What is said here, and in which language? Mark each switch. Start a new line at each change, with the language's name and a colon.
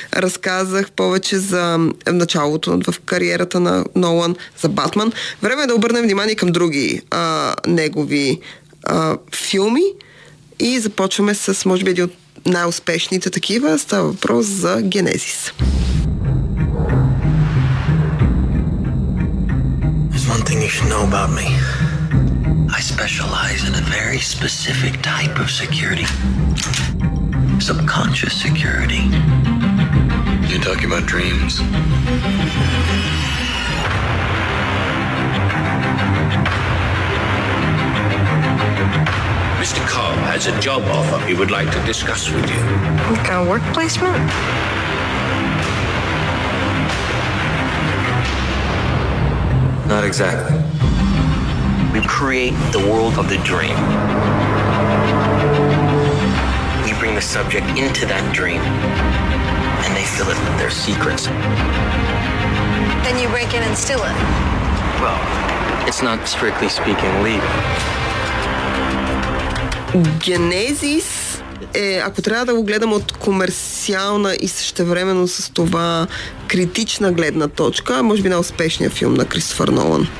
Bulgarian: Разказах повече за началото в кариерата на Нолан, за Батман. Време е да обърнем внимание към други негови филми. И започваме с, може би, един от най-успешните такива. Става въпрос за Генезис.
English: There's one thing you should know about me. I specialize in a very specific type of security. Subconscious security. You're talking about dreams. Mr. Carl has a job offer he would like to discuss with you. What kind of work placement? Not exactly. We create the world of the dream. We bring the subject into that dream, and they fill it with their secrets. Then you break in and steal it. Well, it's not strictly speaking legal.
Bulgarian: Генезис е, ако трябва да го гледам от комерциална и същевременно с това критична гледна точка, може би най-успешният филм на Кристофър Нолан.